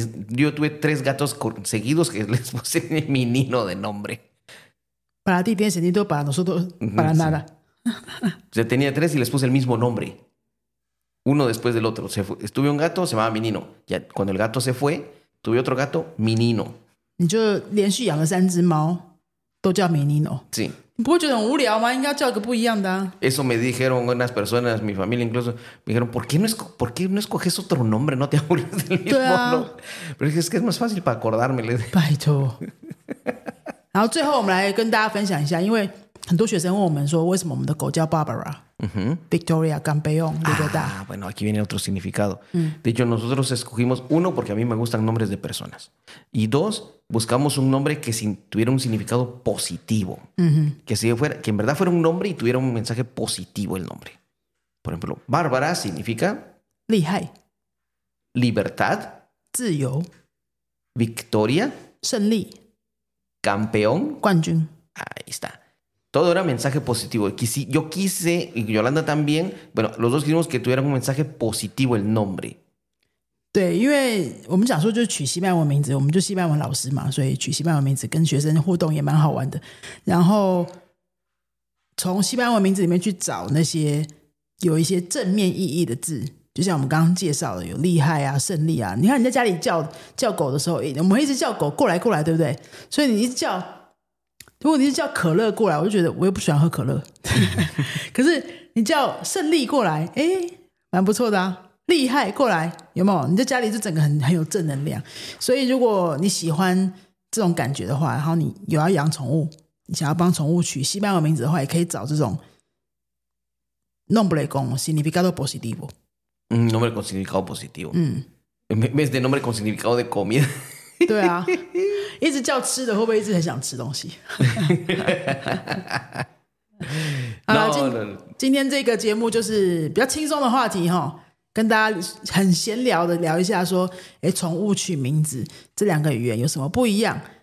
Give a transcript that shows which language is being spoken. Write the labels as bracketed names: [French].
[Spanish] Yo tuve 3 gatos seguidos que les puse menino de nombre. Para ti tiene sentido, para nosotros, para nada. O sea, tenía 3 y les puse el mismo nombre. Uno después del otro. Estuve un gato, se llamaba Menino. Ya, cuando el gato se fue, tuve otro gato, Menino. [Chinese] Yo, 连续养了三只猫, 都叫 Menino. [Spanish] Sí. ¿Por qué tan [Chinese] 无聊吗? 应该叫个不一样的啊。 [Spanish] Eso me dijeron unas personas, mi familia incluso, me dijeron, ¿por qué no escoges otro nombre? ¿No te aburres del mismo nombre? Pero es que es más fácil para acordármelo. Pai, tú. [Chinese] 然后最后我们来跟大家分享一下，因为很多学生问我们说，为什么我们的狗叫 Barbara、Victoria Campeón Libertad、 [Spanish] bueno, aquí viene otro significado、De hecho, nosotros escogimos uno porque a mí me gustan nombres de personas, y dos, buscamos un nombre que tuviera un significado positivo、que en verdad fuera un nombre y tuviera un mensaje positivo el nombre. Por ejemplo, Bárbara significa [Chinese] 厉害 [Spanish] Libertad [Chinese] 自由 [Spanish] Victoria [Chinese] 胜利 [Spanish] Campeón. [Chinese] 冠军. [Spanish] Ahí está. Todo era mensaje positivo. Yo quise, y Yolanda también, bueno, los dos quisimos que tuvieran un mensaje positivo el nombre. [Chinese] 对，因为我们讲说就取西班牙文名字，我们就西班牙文老师嘛，所以取西班牙文名字跟学生互动也蛮好玩的。然后从西班牙文名字里面去找那些有一些正面意义的字，就像我们刚刚介绍的，有厉害啊、胜利啊。你看你在家里叫狗的时候，我们一直叫狗过来过来，对不对？所以你一直叫，如果你是叫可乐过来，我就觉得我又不喜欢喝可乐。可是你叫胜利过来，哎，蛮不错的啊。厉害过来，有没有？你在家里就整个很有正能量。所以如果你喜欢这种感觉的话，然后你有要养宠物，你想要帮宠物取西班牙名字的话，也可以找这种 [Spanish] nombre con significado positivo。 Un nombre con significado positivo. En vez de nombre con significado de comida. [Chinese] 对啊，一直叫吃的会不会一直很想吃东西？今天这个节目就是比较轻松的话题，跟大家很闲聊的聊一下说，宠物取名字，这两个语言有什么不一样？